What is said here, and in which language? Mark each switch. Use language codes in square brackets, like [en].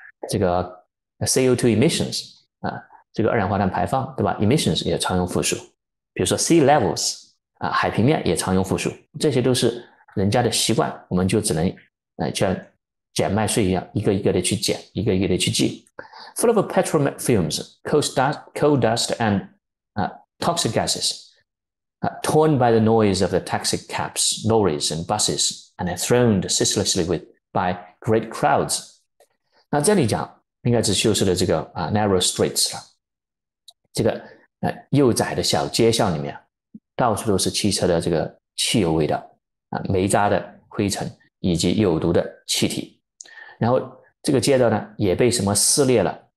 [zh] 这个 CO2 emissions 啊，这个二氧化碳排放，对吧？emissions 也常用复数。比如说 sea levels 啊，海平面也常用复数。这些都是人家的习惯，我们就只能像捡麦穗一样，一个一个的去捡，一个一个的去记。 [en] Full of petrol fumes, coal dust, and toxic gases, torn by the noise of the taxi cabs, lorries, and buses, and thrown ceaselessly by great crowds. [zh] 那这里讲应该是修饰的这个narrow streets 了，这个又窄的小街巷里面，到处都是汽车的这个汽油味道煤渣的灰尘以及有毒的气体，然后这个街道呢也被什么撕裂了。